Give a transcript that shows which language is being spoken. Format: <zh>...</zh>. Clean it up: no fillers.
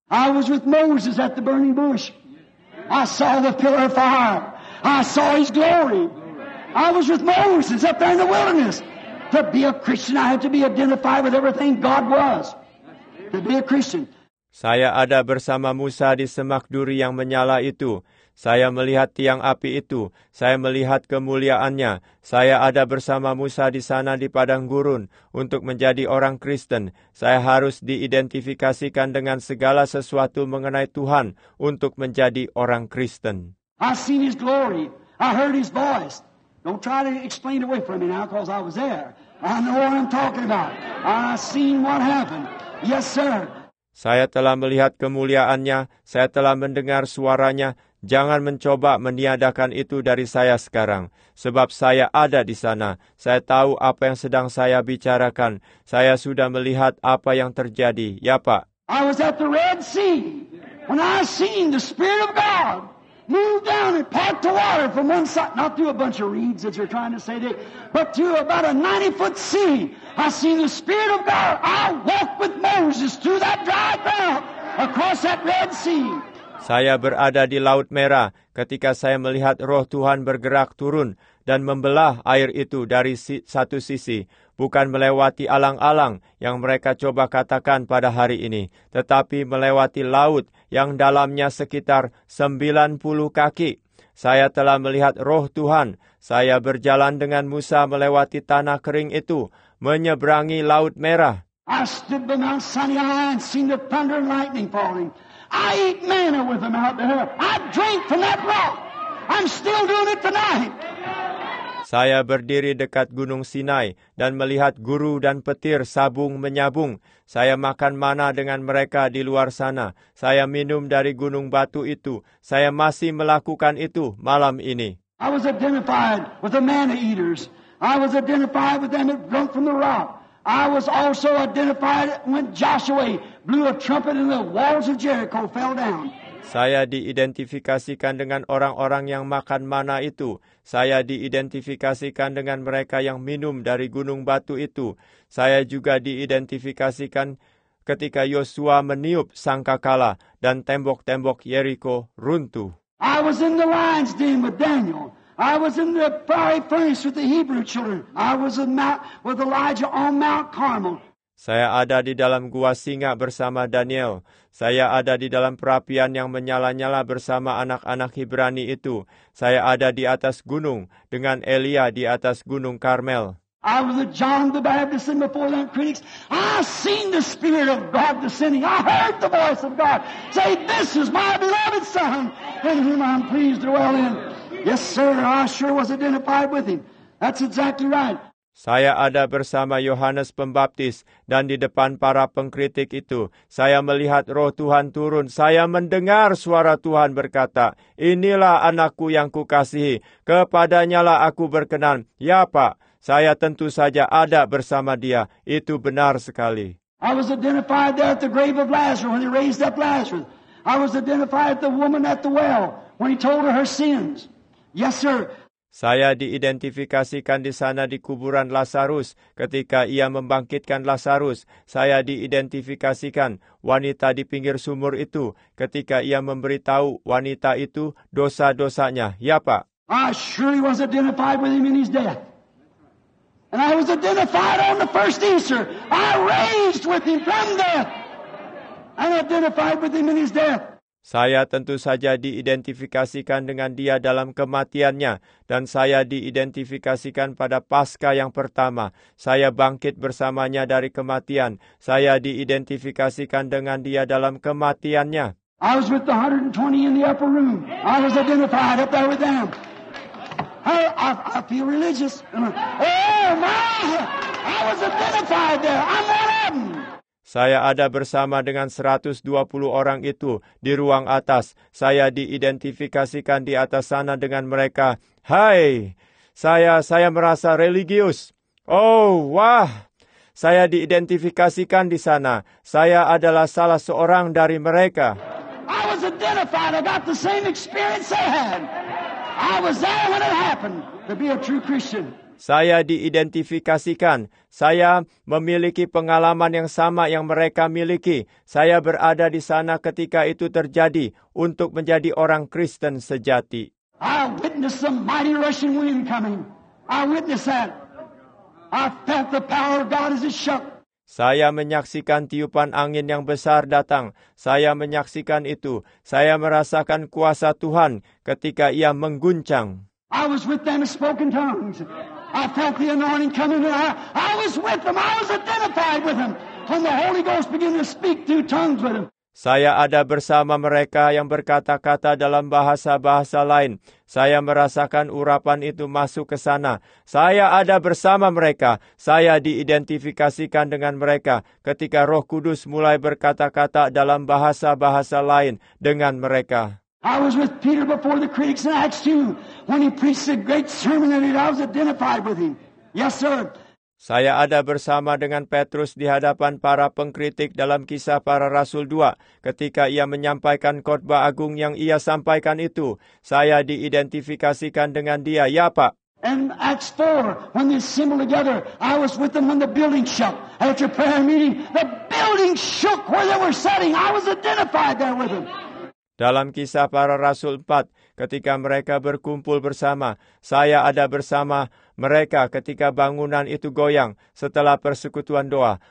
<en>I was with Moses at the burning bush. I saw the pillar of fire. I saw his glory. I was with Moses up there in the wilderness. To be a Christian, I have to be identified with everything God was. To be a Christian.</en> <id>Saya ada bersama Musa di semak duri yang menyala itu. Saya melihat tiang api itu. Saya melihat kemuliaannya. Saya ada bersama Musa di sana di padang gurun untuk menjadi orang Kristen. Saya harus diidentifikasikan dengan segala sesuatu mengenai Tuhan untuk menjadi orang Kristen.</id> <en>I seen his glory. I heard his voice. Don't try to explain it away from me now because I was there. I know what I'm talking about. I seen what happened. Yes, sir.</en> <id>Saya telah melihat kemuliaannya. Saya telah mendengar suaranya. Jangan mencoba meniadakan itu dari saya sekarang, sebab saya ada di sana. Saya tahu apa yang sedang saya bicarakan. Saya sudah melihat apa yang terjadi. Ya, Pak.</id> <en>I was at the Red Sea When I seen the Spirit of God move down and part the water from one side, not through a bunch of reeds that you're trying to say today, but through about a 90-foot sea, I seen the Spirit of God. I walked with Moses through that dry ground across that Red Sea.</en> <id>Saya berada di Laut Merah ketika saya melihat Roh Tuhan bergerak turun dan membelah air itu dari satu sisi, bukan melewati alang-alang yang mereka coba katakan pada hari ini, tetapi melewati laut yang dalamnya sekitar 90 kaki. Saya telah melihat Roh Tuhan. Saya berjalan dengan Musa melewati tanah kering itu, menyeberangi Laut Merah.</id> <en>I stood by Mount Sinai and seen the thunder and lightning falling. I eat manna with them out there. I drink from that rock. I'm still doing it tonight.</en> <id>Saya berdiri dekat Gunung Sinai dan melihat guru dan petir sabung menyabung. Saya makan mana dengan mereka di luar sana. Saya minum dari gunung batu itu. Saya masih melakukan itu malam ini.</id> <en>I was identified with the manna eaters. I was identified with them that drunk from the rock. I was also identified when Joshua blew a trumpet and the walls of Jericho fell down.</en> <id>Saya diidentifikasikan dengan orang-orang yang makan mana itu. Saya diidentifikasikan dengan mereka yang minum dari gunung batu itu. Saya juga diidentifikasikan ketika Yosua meniup sangkakala dan tembok-tembok Jericho runtuh.</id> <en>I was in the lion's den with Daniel. I was in the fiery furnace with the Hebrew children. I was with Elijah on Mount Carmel.</en> <id>Saya ada di dalam gua singa bersama Daniel. Saya ada di dalam perapian yang menyala-nyala bersama anak-anak Ibrani itu. Saya ada di atas gunung dengan Elia di atas gunung Karmel.</id> <en>I was with John the Baptist and before them critics. I seen the Spirit of God descending. I heard the voice of God say, "This is my beloved Son, in whom I'm pleased to dwell in." Yes, sir, I sure was identified with him. That's exactly right.</en> <id>Saya ada bersama Yohanes Pembaptis dan di depan para pengkritik itu, saya melihat Roh Tuhan turun. Saya mendengar suara Tuhan berkata, "Inilah anakku yang kukasihi, kepadanyalah aku berkenan." Ya, Pak, saya tentu saja ada bersama dia. Itu benar sekali.</id> <en>I was identified there at the grave of Lazarus when he raised up Lazarus. I was identified at the woman at the well when he told her her sins. Yes, sir.</en> <id>Saya diidentifikasikan di sana di kuburan Lazarus ketika ia membangkitkan Lazarus. Saya diidentifikasikan wanita di pinggir sumur itu ketika ia memberitahu wanita itu dosa-dosanya. Ya, Pak.</id> <en>I surely was identified with him in his death. And I was identified on the first Easter. I raised with him from death. And identified with him in his death.</en> <id>Saya tentu saja diidentifikasikan dengan dia dalam kematiannya, dan saya diidentifikasikan pada Paskah yang pertama. Saya bangkit bersamanya dari kematian. Saya diidentifikasikan dengan dia dalam kematiannya.</id> <en>I was with the 120 in the upper room. I was identified up there with them. I feel religious. Oh my! I was identified there. I'm one of them.</en> <id>Saya ada bersama dengan 120 orang itu di ruang atas. Saya diidentifikasikan di atas sana dengan mereka. Hai, saya merasa religius. Oh, wah, saya diidentifikasikan di sana. Saya adalah salah seorang dari mereka.</id> <en>I was identified. I got the same experience they had. I was there when it happened to be a true Christian.</en> <id>Saya diidentifikasikan. Saya memiliki pengalaman yang sama yang mereka miliki. Saya berada di sana ketika itu terjadi untuk menjadi orang Kristen sejati.</id> <en>I witnessed some mighty rushing wind coming. I witnessed that. I felt the power of God as it shook.</en> <id>Saya menyaksikan tiupan angin yang besar datang. Saya menyaksikan itu. Saya merasakan kuasa Tuhan ketika ia mengguncang.</id> <en>I was with them and spoke in tongues. I felt the anointing coming. I was with them. I was identified with them. When the Holy Ghost began to speak through tongues with them.</en> <id>Saya ada bersama mereka yang berkata-kata dalam bahasa-bahasa lain. Saya merasakan urapan itu masuk ke sana. Saya ada bersama mereka. Saya diidentifikasikan dengan mereka ketika Roh Kudus mulai berkata-kata dalam bahasa-bahasa lain dengan mereka.</id> <en>I was with Peter before the critics in Acts 2 when he preached a great sermon and I was identified with him. Yes, sir.</en> <id>Saya ada bersama dengan Petrus di hadapan para pengkritik dalam Kisah Para Rasul 2 ketika ia menyampaikan khotbah agung yang ia sampaikan itu. Saya diidentifikasikan dengan dia. Ya, Pak.</id> <en>And Acts 4, when they assembled together, I was with them when the building shook. At your prayer meeting, the building shook where they were sitting. I was identified there with them.</en> <id>Dalam Kisah Para Rasul 4, ketika mereka berkumpul bersama, saya ada bersama mereka ketika bangunan itu goyang setelah persekutuan doa.</id>